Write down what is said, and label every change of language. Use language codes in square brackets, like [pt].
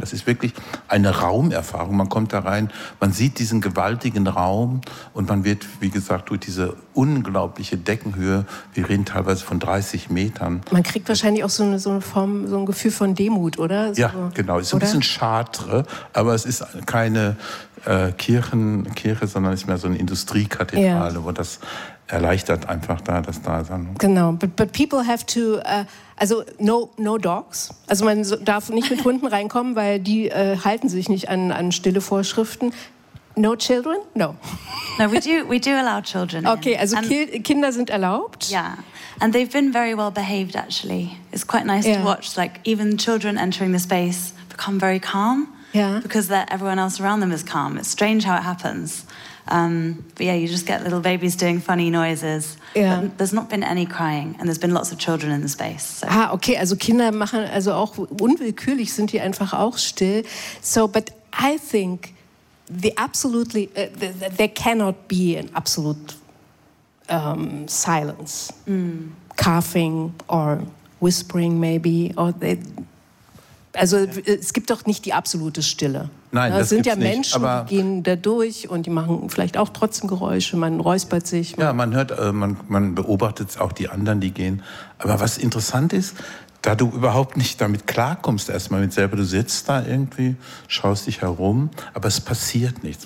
[de] Das ist wirklich eine Raumerfahrung. Man kommt da rein, man sieht diesen gewaltigen Raum und man wird, wie gesagt, durch diese unglaubliche Deckenhöhe, wir reden teilweise von 30 Metern. Man kriegt wahrscheinlich auch so ein Gefühl von Demut, oder? [en] So, [de] ja, genau. Es ist ein bisschen Chartres, aber es ist keine Kirche, sondern es ist mehr so eine Industriekathedrale, wo das erleichtert einfach da das Dasein. Genau, [en] but people have to, also no dogs. [de] Also man darf nicht mit Hunden reinkommen, weil die halten sich nicht an stille Vorschriften. [en] No children? No. No, we do allow children. Okay, in. [de] Also Kinder sind erlaubt. [en] Yeah, and they've been very well behaved actually. It's quite nice to watch, like even children entering the space become very calm. Yeah. Because that everyone else around them is calm. It's strange how it happens. But yeah, you just get little babies doing funny noises. Yeah. There's not been any crying and there's been lots of children in the space. So. [de] Ah, okay, also Kinder machen, also auch unwillkürlich sind die einfach auch still. [en] So, but I think there cannot be an absolute silence. Mm. Coughing or whispering maybe or they... [de] Also es gibt doch nicht die absolute Stille. Nein, es sind ja Menschen, nicht, die gehen da durch und die machen vielleicht auch trotzdem Geräusche, man räuspert sich. Ja, man hört, man beobachtet auch die anderen, die gehen. Aber was interessant ist, da du überhaupt nicht damit klarkommst, erstmal mit selber, du sitzt da irgendwie, schaust dich herum, aber es passiert nichts.